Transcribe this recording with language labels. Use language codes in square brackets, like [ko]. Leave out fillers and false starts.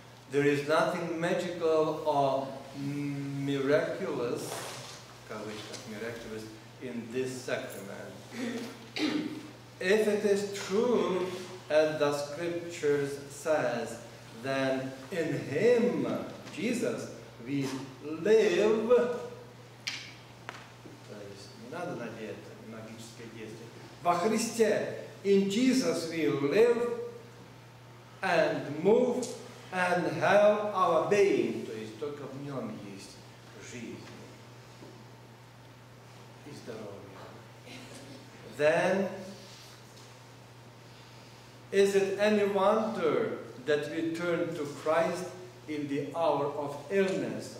[en] There is nothing magical or miraculous, miraculous, in this sacrament. If it is true, as the scriptures says, then in Him, Jesus, we live. [ru] То есть не надо надеяться на магическое действие. Во Христе, [en] in Jesus, we live and move and have our being. [ru] То есть только в Нем есть жизнь и здоровье. [en] Then is it any wonder that we turn to Christ in the hour of illness?